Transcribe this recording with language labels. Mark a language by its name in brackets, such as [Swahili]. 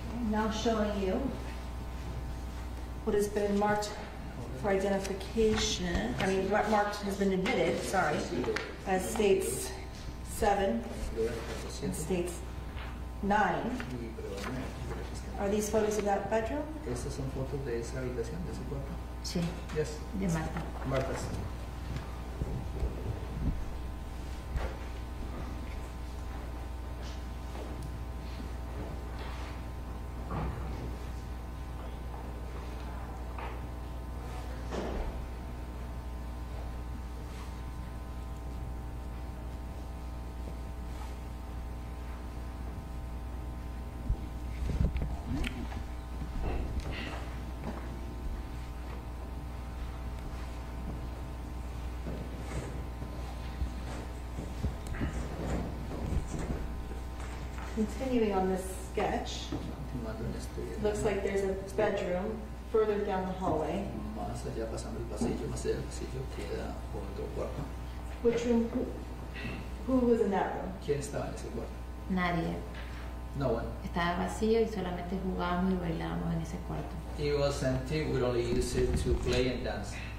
[English] Now showing you what has been marked for identification, I mean what marked has been admitted, sorry, as states 7 and states 9. Are these photos of that bedroom? [Spanish] Estas son fotos de esa habitación, de ese cuarto. Sí. [English] Yes. [Spanish] De Marta. [English] Marta. Continuing on this sketch, looks like there's a bedroom further down the hallway. [Spanish] Más allá pasando el pasillo, más allá del pasillo queda otro cuarto. [English] Which room? Who was in that room? [Spanish] ¿Quién estaba en ese cuarto? Nadie. [English] No one. [Spanish] Estaba vacío y solamente jugábamos y bailábamos en ese cuarto. [English] It was empty. We only used it to play and dance.